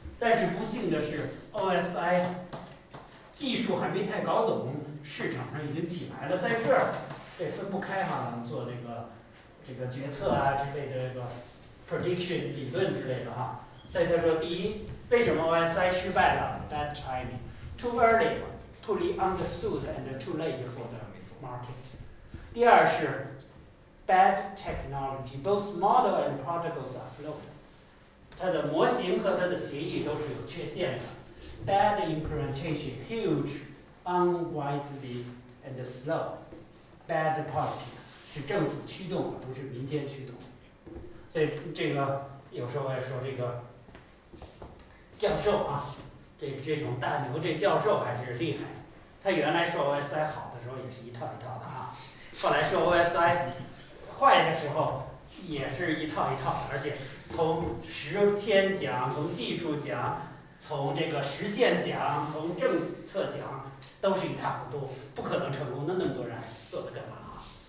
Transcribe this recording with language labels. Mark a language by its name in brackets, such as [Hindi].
[Chinese] 但是不幸的是 OSI 技术还没太搞懂，市场上已经起来了，在这儿这分不开哈，做这个决策啊之类的，这个 prediction 理论之类的哈。所以说第一，为什么 OSI 失败了？ [English] Bad timing， too early， totally understood and too late for the market。 [Chinese] 第二是 [English] bad technology， both model and protocols are flawed， [Chinese] 它的模型和它的协议都是有缺陷的。 [English] bad implementation， huge， unwidely and slow， bad politics， [Chinese] 是政府驱动而不是民间驱动。所以这个有时候我也说这个教授啊，这种大牛，这教授还是厉害。他原来说 OSI 好的时候也是一套一套的啊，后来说 OSI 坏的时候也是一套一套，而且从实践讲，从技术讲，从这个实现讲，从政策讲，都是一塌糊涂，不可能成功的。那么多人做的干嘛啊？